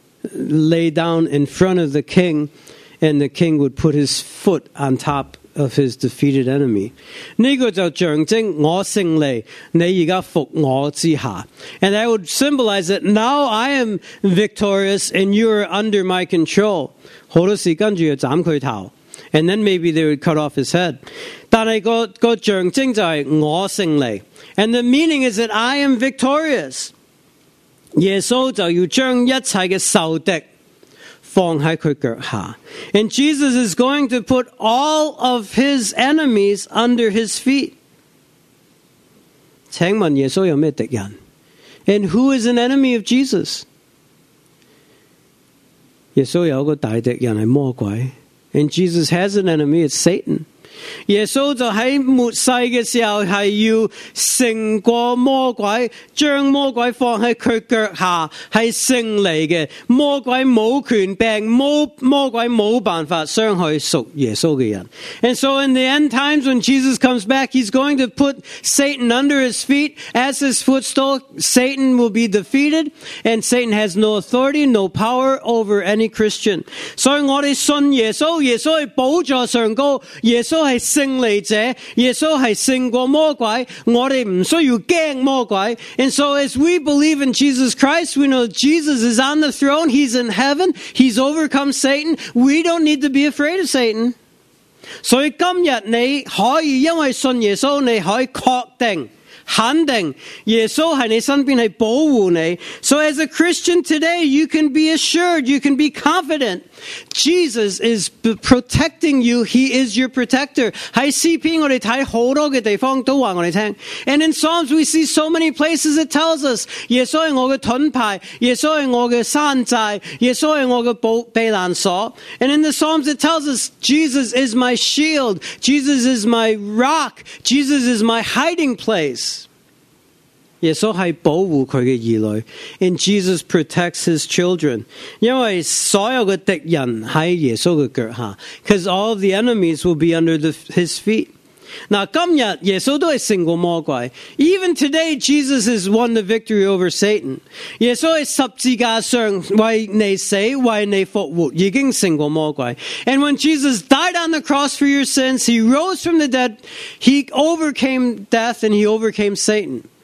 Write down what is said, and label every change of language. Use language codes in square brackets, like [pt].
[en] Lay down in front of the king, and the king would put his foot on top of his defeated enemy. [zh] 呢个就象征我胜利，你而家服我之下。 [en] And that would symbolize that now I am victorious and you are under my control. [zh] 好多时跟住就斩佢头。 [en] And then maybe they would cut off his head. [zh] 但是个象征就是我胜利。 [en] And the meaning is that I am victorious. [zh] 耶稣就要将一切的仇敌放在他脚下。 [en] And Jesus is going to put all of his enemies under his feet. [zh] 请问耶稣有什么敌人？ [en] And who is an enemy of Jesus? [zh] 耶稣有一个大敌人是魔鬼。 [en] And Jesus has an enemy, it's Satan. [zh] 耶稣就在末世的时候是要胜过魔鬼，将魔鬼放在他脚下，是胜利的。魔鬼没权柄，魔鬼没办法伤害属耶稣的人。 [en] And so in the end times when Jesus comes back, he's going to put Satan under his feet. As his footstool, Satan will be defeated, and Satan has no authority, no power over any Christian. [zh] 所以我们信耶稣，耶稣是宝座上高，耶稣是胜利者，耶稣是胜过魔鬼，我们不需要害怕魔鬼。 [en] And so as we believe in Jesus Christ, we know Jesus is on the throne, he's in heaven, he's overcome Satan, we don't need to be afraid of Satan. [zh] 所以今天你可以因为信耶稣，你可以确定肯定耶稣在你身边是保护你。 [en] So as a Christian today, you can be assured, you can be confident. Jesus is protecting you. He is your protector. [zh] 在诗篇我们看很多的地方都告诉我们。 [en] And in Psalms, we see so many places it tells us, [zh] 耶稣是我的盾牌，耶稣是我的山寨，耶稣是我的避难所。 [en] And in the Psalms, it tells us, Jesus is my shield, Jesus is my rock, Jesus is my hiding place. [zh] 耶稣是保护他的儿女， [en] and Jesus protects his children. [zh] 因为所有的敌人在耶稣的脚下， [en] because all the enemies will be under his feet. [zh] 那今天耶稣都是胜过魔鬼， [en] even today Jesus has won the victory over Satan. [zh] 耶稣在十字架上为你死，为你复活，已经胜过魔鬼。 [en] And when Jesus died on the cross for your sins, he rose from the dead, he overcame death and he overcame Satan.